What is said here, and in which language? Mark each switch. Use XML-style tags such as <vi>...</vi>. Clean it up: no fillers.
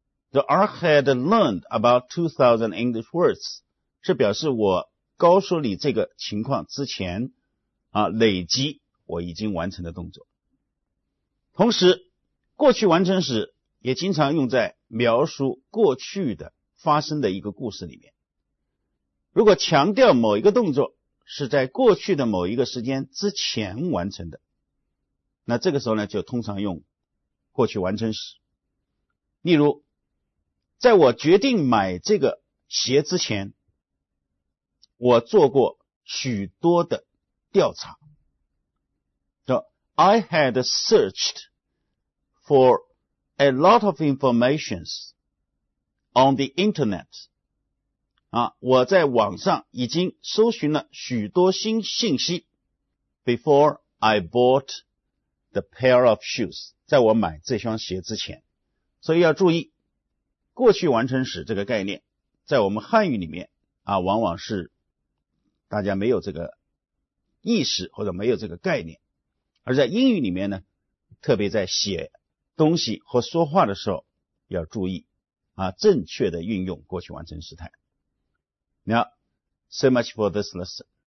<en>The I had learned about 2,000 English words</en> <zh>是表示我告诉你这个情况之前啊，累积我已经完成的动作。同时，过去完成时也经常用在描述过去的发生的一个故事里面。如果强调某一个动作是在过去的某一个时间之前完成的，那这个时候呢就通常用过去完成时。例如在我决定买这个鞋之前，我做过许多的调查。</zh> <en>So, I had searched for a lot of information on the internet</en> <zh>我在网上已经搜寻了许多新信息</zh> <en>before I bought the pair of shoes，</en> <zh>在我买这双鞋之前。所以要注意过去完成时这个概念在我们汉语里面往往是大家没有这个意识或者没有这个概念，而在英语里面呢，特别在写东西或说话的时候要注意正确的运用过去完成时态。</zh> <en>Now, so much for this lesson.</en>